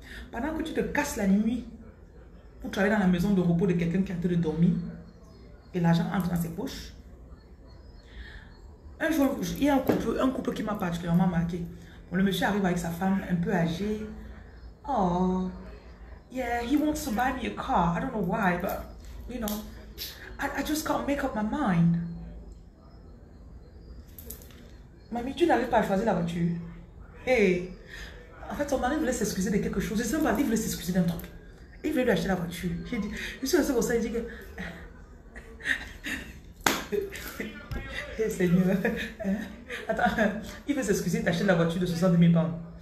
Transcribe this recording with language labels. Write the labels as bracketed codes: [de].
[fr] Pendant que tu te casses la nuit pour travailler dans la maison de repos de quelqu'un qui est en train de dormir, et l'argent entre dans ses poches. Un jour, il y a un couple qui m'a particulièrement marqué. Bon, le monsieur arrive avec sa femme un peu âgée. [en] Oh, yeah, he wants to buy me a car. I don't know why, but, you know, I just can't make up my mind. [fr] Mamie, tu n'arrives pas à choisir la voiture. Hey, en fait, son mari voulait s'excuser de quelque chose. Et son mari voulait s'excuser d'un truc. Il voulait lui acheter la voiture. Je suis resté comme ça, il dit que... Hey, Seigneur, attends, il veut s'excuser, t'achètes la voiture de 60 000 pounds.